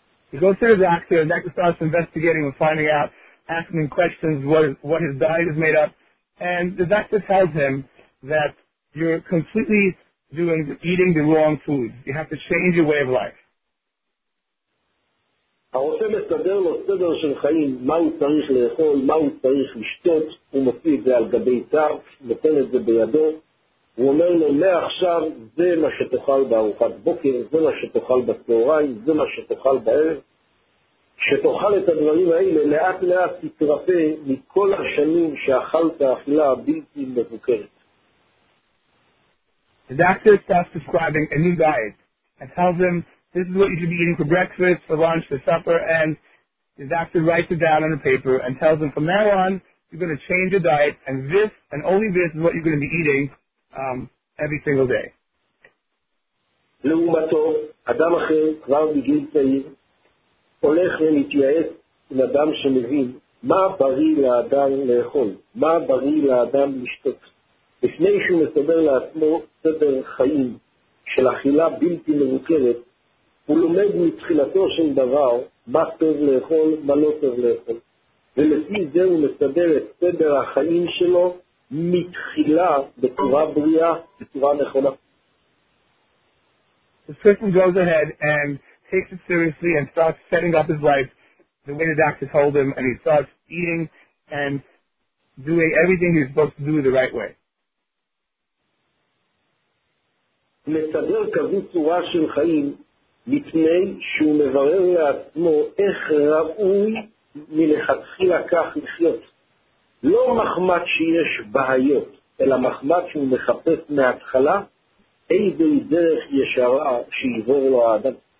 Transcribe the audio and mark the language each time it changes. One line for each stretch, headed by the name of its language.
English: He goes to the doctor, and the doctor starts investigating and finding out, asking questions, what his diet is made up, and the doctor tells him that you're completely eating the wrong foods. You have to change your way of life.
Hebrew: הרופא מסדר לו סדר של חיים, מה הוא צריך לאכול, מה הוא צריך לשתות, הוא מוציא את זה על גבי צר, נותן את זה בידו, הוא אומר לו, מעכשיו זה מה שתאכל בארוחת בוקר, זה מה שתאכל בצהריים, זה מה שתאכל בערב, שתאכל את הדברים האלה, לאט לאט תתרפא מכל השנים שאכלת אכילה בלתי מבוקרת.
English: The doctor starts describing a new diet and tells him, this is what you should be eating for breakfast, for lunch, for supper, and the doctor writes it down on the paper and tells him, from now on, you're going to change your diet, and this, and only this, is what you're going to be eating every single day.
Hebrew: לעומתו, אדם אחר, כבר בגיל צעיר, הולך ומתייעץ עם אדם שמבין מה בריא לאדם לאכול, מה בריא לאדם לשתות. לפני שהוא מסבר לעצמו סדר חיים של אכילה בלתי מבוקרת, הוא לומד מתחילתו של דבר מה טוב לאכול, מה לא טוב לאכול. ולפי זה הוא מסדר את סדר החיים שלו מתחילה בצורה בריאה, בצורה נכונה.
English: The person goes ahead and takes it seriously and starts setting up his life the way the doctor told him, and he starts eating and doing everything he's supposed to do the right way.
Hebrew: מסדר כזו צורה של חיים לפני שהוא מברר לעצמו איך ראוי מלכתחילה כך לחיות. לא מחמת שיש בעיות, אלא מחמת שהוא מחפש מההתחלה איזו דרך ישרה שיבור לו האדם.